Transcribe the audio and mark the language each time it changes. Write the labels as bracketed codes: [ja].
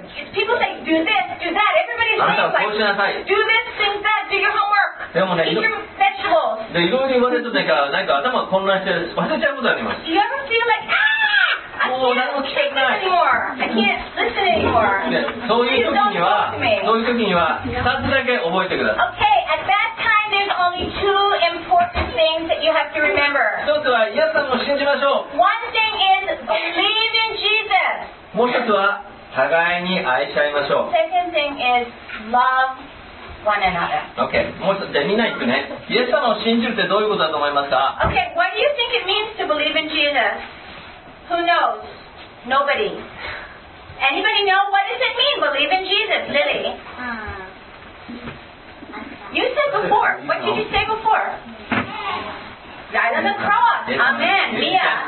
[en] People say, do this, do that. Everybody's saying, like, do this, think that, do your homework, eat your vegetables. Do you ever feel like, I can't take this anymore? I can't listen anymore. [ja] そういう時には、2つだけ覚えてください。 [en] Okay. Only two important things that you have to remember. One thing is believe in Jesus. [ja] もう一つは互いに愛し合いましょう。 [en] Second thing is love one another. Okay. [ja] もう一つじゃあみんな言ってね。イエス様を信じるってどういうことだと思いますか。 [en] Okay. What do you think it means to believe in Jesus? Who knows? Nobody. Anybody know what does it mean? Believe in Jesus, Lily. You said before. What did you say before? Died on the cross. Amen. Mia.